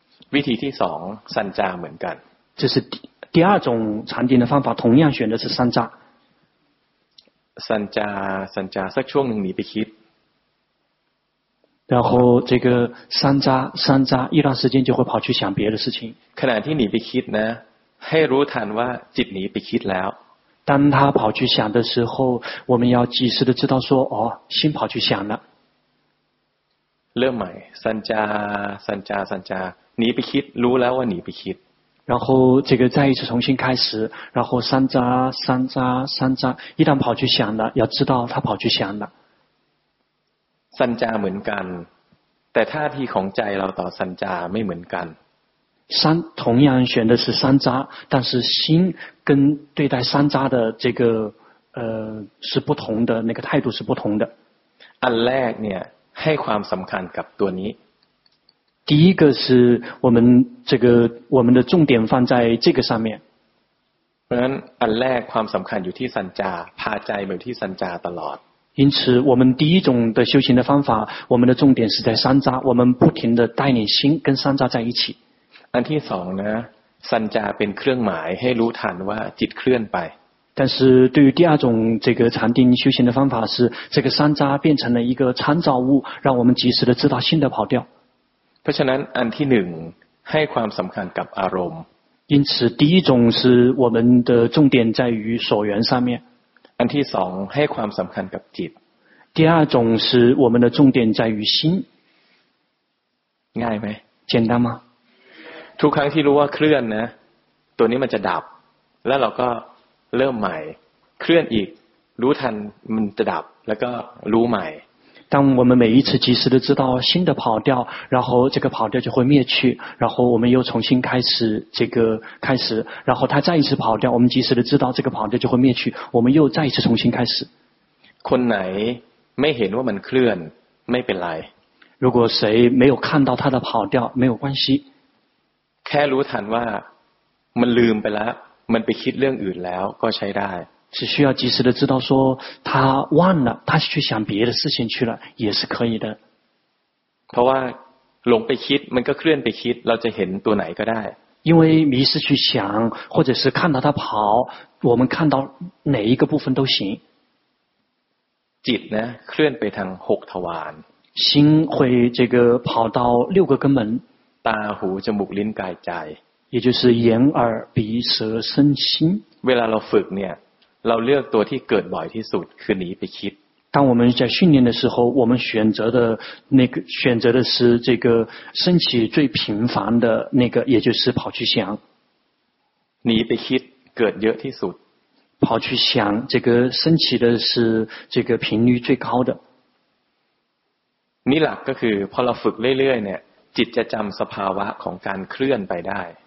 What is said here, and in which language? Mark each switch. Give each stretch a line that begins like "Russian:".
Chinese: 问题第二山楂门干这是第二种禅定的方法同样选的是三扎
Thai: 三扎三扎สักช่วงหนึ่งหนีไปคิด
Chinese: 然后这个三扎三扎一段时间就会跑去想别的事情
Thai: ขณะที่หนีไปคิดนะให้รู้ทันว่าจิตหนีไปคิดแล้ว
Chinese: 当他跑去想的时候我们要及时的知道说哦心跑去想了
Thai: เริ่มใหม่三扎三扎三扎หนีไปคิดรู้แล้วว่าหนีไปคิด
Chinese: 然后这个再一次重新开始然后三扎三扎三扎一旦跑去想了要知道他跑去想了
Thai: 三扎เหมือนกันแต่ท่าทีของใจเราต่อสัญจาไม่เหมือนกัน
Chinese: 三同样选的是三扎但是心跟对待三扎的这个是不同的那个态度是不同的
Thai: อันแรกเนี่ยให้ความสำคัญกับตัวนี้
Chinese: 第一个是我们这个我们的重点放在这个上面。
Thai: เพราะฉะนั้นอันแรกความสำคัญอยู่ที่สัญจาพาใจไปที่สัญจาตลอด。
Chinese: 因此我们第一种的修行的方法我们的重点是在三扎我们不停的带领心跟三扎在一起。
Thai: อันที่สองนะสัญจาเป็นเครื่องหมายให้รู้ทันว่าจิตเคลื่อนไป。
Chinese: 但是对于第二种这个禅定修行的方法是这个三扎变成了一个参照物让我们及时的知道心的跑掉。
Thai: เพราะฉะนั้นอันที่หนึ่งให้ความสำคัญกับอารมณ์
Chinese: 因此第一种是我们的重点在于所缘上面。
Thai: อันที่สองให้ความสำคัญกับจิต。
Chinese: 第二种是我们的重点在于心。
Thai: ง่ายไหม？
Chinese: 简单吗？
Thai: ทุกครั้งที่รู้ว่าเคลื่อนนะตัวนี้มันจะดับแล้วเราก็เริ่มใหม่เคลื่อนอีกรู้ทันมันจะดับแล้วก็รู้ใหม่
Chinese: 当我们每一次及时的知道新的跑掉，然后这个跑掉就会灭去，然后我们又重新开始这个开始，然后它再一次跑掉，我们及时的知道这个跑掉就会灭去，我们又再一次重新开始。
Thai: คนไหนไม่เห็นว่ามันเคลื่อนไม่เป็นไร。
Chinese: 如果谁没有看到它的跑掉，没有关系。
Thai: แค่รู้ทันว่ามันลืมไปแล้วมันไปคิดเรื่องอื่นแล้วก็ใช้ได้
Chinese: 只需要及时的知道说他忘了他去想别的事情去了也是可以的。
Thai: เพราะว่าหลงไปคิดมันก็เคลื่อนไปคิดเราจะเห็นตัวไหนก็ได้。
Chinese: 因为迷失去想或者是看到他跑我们看到哪一个部分都行。
Thai: จิตนะเคลื่อนไปทาง6ทวาร。
Chinese: 心会这个跑到6个根本。
Thai: ตาหูจมูกลิ้นกายใจ。
Chinese: 也就是眼耳鼻舌身心。
Thai: เวลาเราฝึกเนี่ยเราเลือกตัวที่เกิดบ่อยที่สุดคือหนีไปคิด
Chinese: 当我们在训练的时候我们选择的那个选择的是这个升起最频繁的那个也就是跑去想
Thai: หนีไปคิดเกิดเยอะที่สุด
Chinese: 跑去想这个升起的是这个频率最高的
Thai: นี่หลักก็คือพอเราฝึกเรื่อยๆเนี่ยจิตจะจำสภาวะของการเคลื่อนไปได้